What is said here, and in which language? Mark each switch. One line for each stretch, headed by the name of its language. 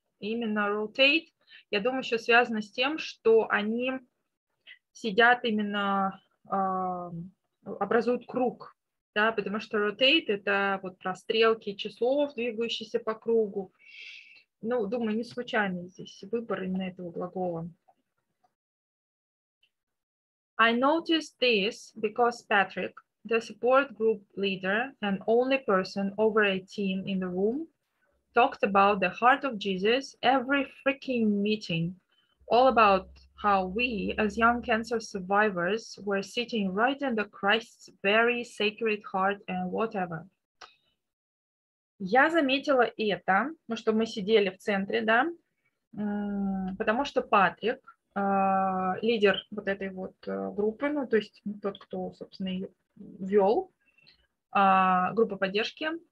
Russian: Именно rotate, я думаю, еще связано с тем, что они сидят именно, образуют круг, да, потому что rotate – это вот про стрелки часов, двигающиеся по кругу. Ну, думаю, не случайный здесь выбор именно этого глагола.
English: I noticed this because Patrick, the support group leader and only person over 18 in the room, talked about the heart of Jesus every freaking meeting, all about how we, as young cancer survivors, were sitting right in the Christ's very sacred heart and whatever.
Russian: Я заметила это, ну, что мы сидели в центре, да, потому что Патрик, лидер вот этой вот группы, ну, то есть тот, кто, собственно, ее вел, группа поддержки,